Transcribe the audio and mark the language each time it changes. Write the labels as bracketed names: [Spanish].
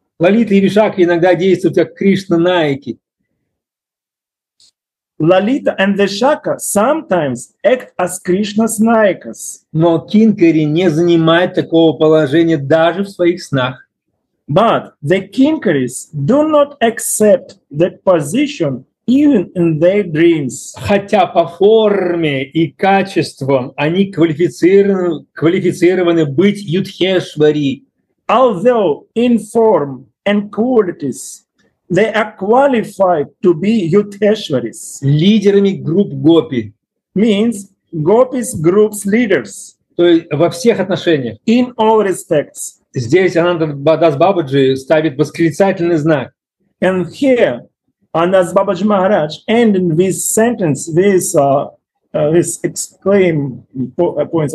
[Russian] Лалита и Вишакха иногда действуют как Кришна Найки. [English] Lalita and Vishakha sometimes act as Krishna's Nayakas. [Russian] Но Кинкари не занимает такого положения даже в своих снах. [English] But the Kinkaris do not accept that position even in their dreams. [Russian] Хотя по форме и качествам они квалифицированы быть Юдхешвари. [English] Although in form and qualities they are qualified to be Yudheshwaris. [Russian] Лидерами групп гопи. [English] Means gopis groups leaders. [Russian] То есть во всех отношениях. [English] In all respects. [Russian] Здесь Ананда Дас Бабаджи ставит восклицательный знак. [English] And here, Ананда Бабаджи Махарадж ending this sentence, this this exclaim points.